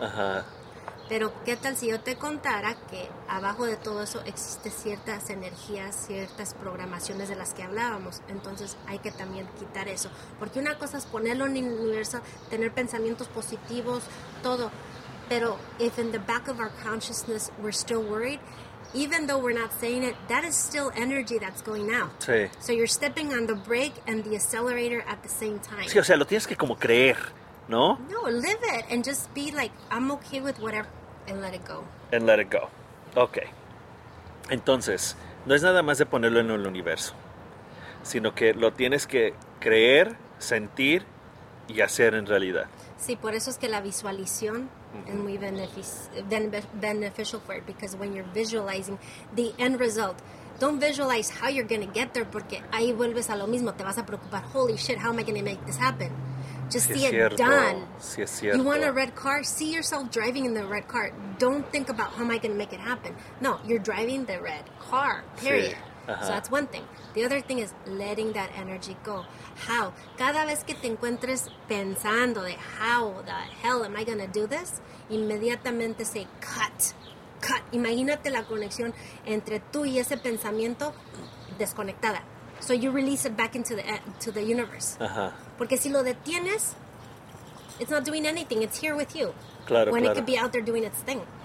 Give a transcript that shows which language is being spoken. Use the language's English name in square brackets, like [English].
[Spanish] Ajá. Pero, ¿qué tal si yo te contara que abajo de todo eso existen ciertas energías, ciertas programaciones de las que hablábamos? Entonces, hay que también quitar eso. Porque una cosa es ponerlo en el universo, tener pensamientos positivos, todo. [English] Pero, if in the back of our consciousness we're still worried, even though we're not saying it, that is still energy that's going out. [Spanish] Sí. [English] So, you're stepping on the brake and the accelerator at the same time. [Spanish] Sí, o sea, lo tienes que como creer. No. [English] No, live it and just be like, I'm okay with whatever, and let it go. And let it go. Okay. [Spanish] Entonces, no es nada más de ponerlo en el universo, sino que lo tienes que creer, sentir y hacer en realidad. Sí, por eso es que la visualización es muy [English] beneficial for it, because when you're visualizing the end result. Don't visualize how you're going to get there, [Spanish] porque ahí vuelves a lo mismo, te vas a preocupar, [English] holy shit, how am I going to make this happen? Just [Spanish] sí [English] see [Spanish] cierto. [English] It done. [Spanish] Sí es cierto. [English] You want a red car? See yourself driving in the red car. Don't think about how am I going to make it happen. No, you're driving the red car, period. [Spanish] Sí. Uh-huh. [English] So that's one thing. The other thing is letting that energy go. How? [Spanish] Cada vez que te encuentres pensando de [English] how the hell am I going to do this, [Spanish] inmediatamente [English] say cut. Cut. [Spanish] Imagínate la conexión entre tú y ese pensamiento desconectada. [English] So you release it back into the universe. Ajá. Uh-huh. [Spanish] Porque si lo detienes, [English] it's not doing anything. It's here with you. [Spanish] Claro, [English] when [Spanish] claro. [English] It could be out there doing its thing.